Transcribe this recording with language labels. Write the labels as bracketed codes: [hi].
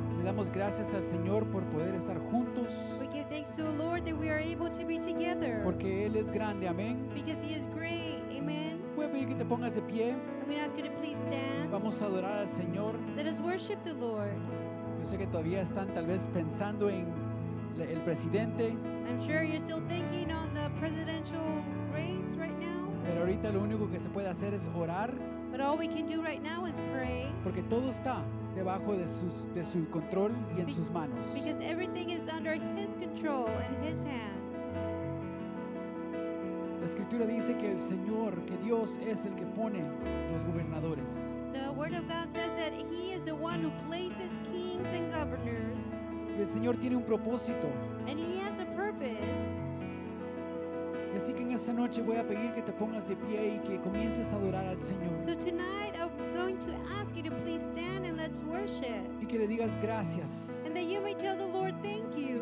[es] Le damos gracias al Señor por poder estar juntos. [en] We give thanks to the Lord that we are able to be together. [es] Porque Él es grande, amén. [en] Because He is great, amen. [es] Voy a pedir que te pongas de pie. [en] I'm going to ask you to please stand. [es] Vamos a adorar al Señor. [en] Let us worship the Lord. [es] Yo sé que todavía están tal vez pensando en el presidente. [en] I'm sure you're still thinking on the presidential race right now. [es] Pero ahorita lo único que se puede hacer es orar. [en] But all we can do right now is pray. [es] Porque todo está debajo de su control y en sus manos. [en] Because everything is under His control and His hand. [es] La escritura dice que el Señor, que Dios es el que pone los gobernadores. [en] The word of God says that He is the one who places kings and governors. [es] Y el Señor tiene un propósito. [en] And He has a purpose. [es] Así que en esta noche voy a pedir que te pongas de pie y que comiences a adorar al Señor. [en] So tonight I'm going to ask you to please stand and let's worship. [es] Y que le digas gracias. [en] And that you may tell the Lord thank you.